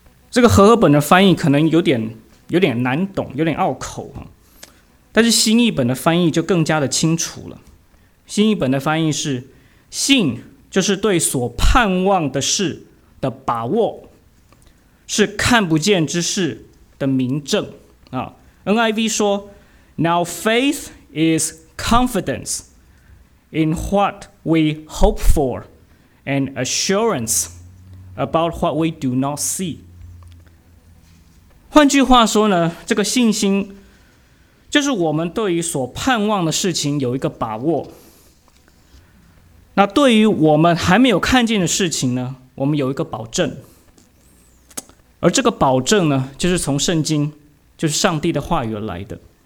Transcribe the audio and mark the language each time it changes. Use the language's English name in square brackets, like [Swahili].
[Chinese] 这个和合本的翻译可能有点难懂，有点拗口，但是新译本的翻译就更加的清楚了。新译本的翻译是，信就是对所盼望的事的把握，是看不见之事的明证。 [English] NIV 说， Now faith is confidence in what we hope for and assurance about what we do not see。 [Chinese] 换句话说呢，这个信心就是我们对于所盼望的事情有一个把握，那对于我们还没有看见的事情呢，我们有一个保证。而这个保证呢，就是从圣经，就是上帝的话语而来的。